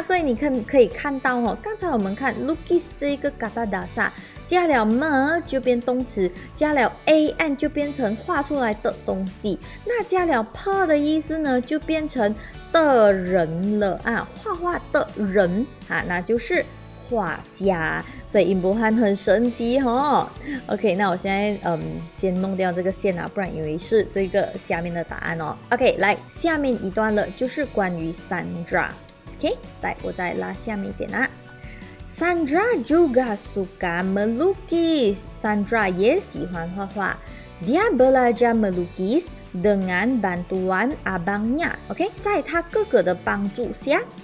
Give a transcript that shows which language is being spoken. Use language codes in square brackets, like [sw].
[zh] 所以你可以看到哦，刚才我们看 lukis 这个 kata dasar 加了 me 就变动词，加了 an 就变成画出来的东西，那加了 pe 的意思呢就变成的人了啊，画画的人啊，那就是画家。所以音波汉很神奇哦。OK, 那我现在先弄掉这个线啊，不然以为是这个下面的答案哦。 OK, 来下面一段了，就是关于 Sandra。 OK, 来我再拉下面一点啊。 [ms] Sandra juga suka melukis. [zh] Sandra 也喜欢画画。 [ms] Dia belajar melukis dengan bantuan abangnya. OK, [zh] 在他哥哥的帮助下